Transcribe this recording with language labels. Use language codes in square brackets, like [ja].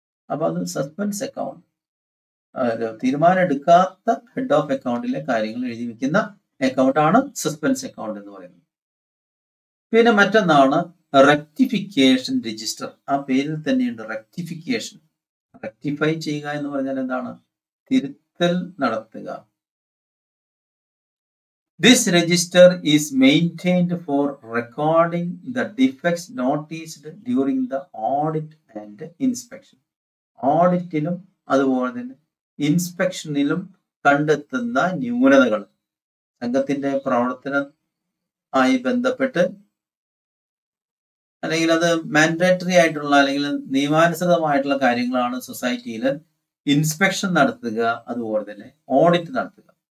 [ml] അപ്പൊ അത് suspense account, തീരുമാനം എടുക്കാത്ത ഹെഡ് ഓഫ് അക്കൗണ്ടിലെ കാര്യങ്ങൾ എഴുതി വെക്കുന്ന അക്കൗണ്ടാണ് സസ്പെൻസ് അക്കൗണ്ട് എന്ന് പറയുന്നത്. പിന്നെ മറ്റൊന്നാണ് റെക്ടിഫിക്കേഷൻ രജിസ്റ്റർ. ആ പേരിൽ തന്നെയുണ്ട്, റെക്ടിഫിക്കേഷൻ. റെക്ടിഫൈ ചെയ്യുക എന്ന് പറഞ്ഞാൽ എന്താണ്? തിരുത്തൽ നടത്തുക. [en] This register is maintained for recording the defects noticed during the audit and inspection. [ml] ഓഡിറ്റിലും അതുപോലെ തന്നെ ഇൻസ്പെക്ഷനിലും കണ്ടെത്തുന്ന ന്യൂനതകൾ, സംഘത്തിന്റെ പ്രവർത്തനം ആയി ബന്ധപ്പെട്ട് അല്ലെങ്കിൽ അത് മാൻഡേറ്ററി ആയിട്ടുള്ള അല്ലെങ്കിൽ നിയമാനുസൃതമായിട്ടുള്ള കാര്യങ്ങളാണ് സൊസൈറ്റിയിൽ ഇൻസ്പെക്ഷൻ നടത്തുക, അതുപോലെ തന്നെ ഓഡിറ്റ് നടത്തുക.